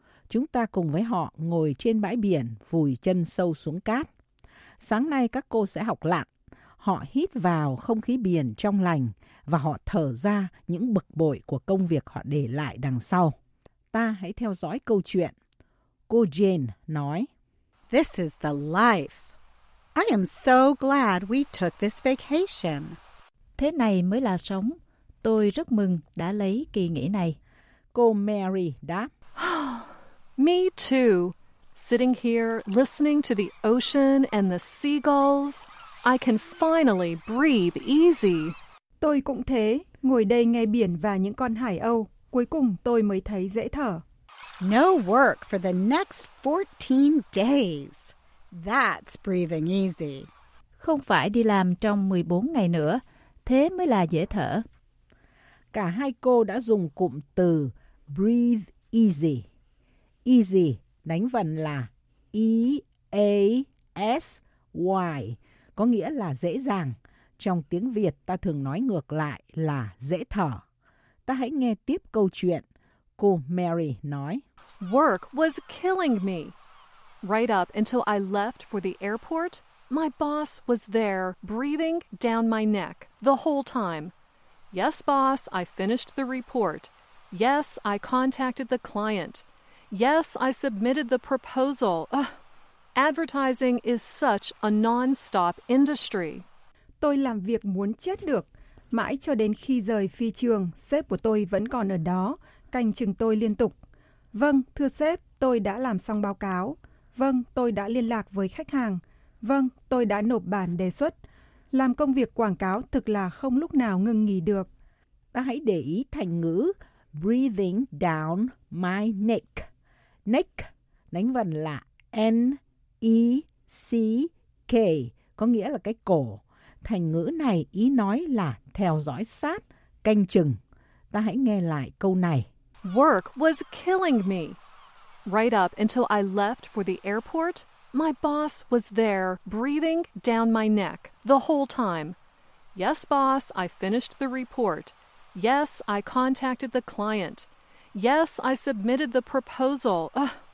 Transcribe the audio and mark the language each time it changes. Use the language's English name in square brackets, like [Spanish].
[Vietnamese] Chúng ta cùng với họ ngồi trên bãi biển, vùi chân sâu xuống cát. Sáng nay các cô sẽ học lặn. Họ hít vào không khí biển trong lành và họ thở ra những bực bội của công việc họ để lại đằng sau. Ta hãy theo dõi câu chuyện. Cô Jane nói: [English] This is the life. I am so glad we took this vacation. [Vietnamese] Thế này mới là sống. Tôi rất mừng đã lấy kỳ nghỉ này. Cô Mary đáp: [English] Me too. Sitting here listening to the ocean and the seagulls, I can finally breathe easy. [Vietnamese] Tôi cũng thế, ngồi đây nghe biển và những con hải âu, cuối cùng tôi mới thấy dễ thở. [English] No work for the next 14 days. That's breathing easy. [Vietnamese] Không phải đi làm trong 14 ngày nữa. Thế mới là dễ thở. Cả hai cô đã dùng cụm từ [English] breathe easy. [Vietnamese] Easy đánh vần là E-A-S-Y, có nghĩa là dễ dàng. Trong tiếng Việt ta thường nói ngược lại là dễ thở. Ta hãy nghe tiếp câu chuyện. Cô Mary nói: [English] Work was killing me. Right up until I left for the airport, my boss was there, breathing down my neck, the whole time. Yes, boss, I finished the report. Yes, I contacted the client. Yes, I submitted the proposal. Ugh. Advertising is such a non-stop industry. [Vietnamese] Tôi làm việc muốn chết được. Mãi cho đến khi rời phi trường, sếp của tôi vẫn còn ở đó, canh chừng tôi liên tục. Vâng, thưa sếp, tôi đã làm xong báo cáo. Vâng, tôi đã liên lạc với khách hàng. Vâng, tôi đã nộp bản đề xuất. Làm công việc quảng cáo thực là không lúc nào ngừng nghỉ được. Ta hãy để ý thành ngữ [English] breathing down my neck. [Vietnamese] Neck đánh vần là N-E-C-K, có nghĩa là cái cổ. Thành ngữ này ý nói là theo dõi sát, canh chừng. Ta hãy nghe lại câu này. [English] Work was killing me. Right up until I left for the airport, my boss was there, breathing down my neck, the whole time. Yes, boss, I finished the report. Yes, I contacted the client. Yes, I submitted the proposal. Ugh.